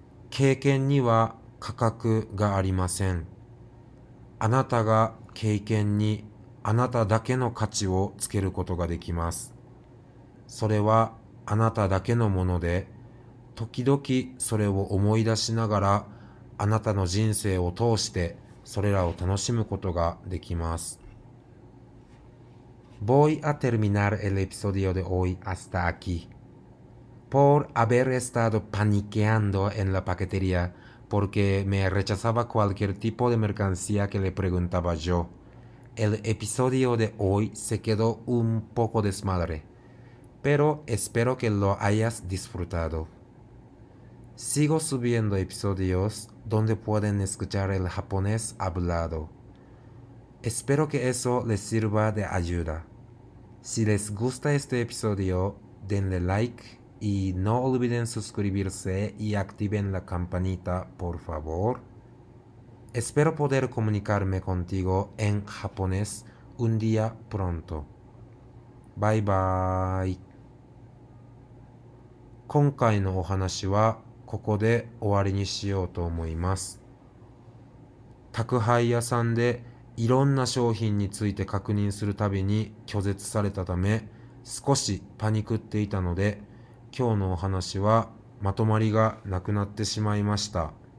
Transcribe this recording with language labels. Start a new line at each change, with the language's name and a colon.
Japanese: 経験には価格がありません。あなたが経験にあなただけの価値をつけることができます。それはあなただけのもので、時々それを思い出しながらあなたの人生を通してそれらを楽しむことができます。
Spanish: Voy a terminar el episodio de hoy hasta aquí. Por haber estado paniqueando en la paquetería porque me rechazaba cualquier tipo de mercancía que le preguntaba yo. El episodio de hoy se quedó un poco desmadre, pero espero que lo hayas disfrutado. Sigo subiendo episodios donde pueden escuchar el japonés hablado. Espero que eso les sirva de ayuda. Si les gusta este episodio, denle like. Y no olviden suscribirse y activen la campanita, por favor. Espero poder comunicarme contigo en japonés un día pronto.
English: Bye bye.
Japanese: 今回のお話はここで終わりにしようと思います。宅配屋さんでいろんな商品について確認するたびに拒絶されたため、少しパニクっていたので、今日のお話はまとまりがなくなってしまいました。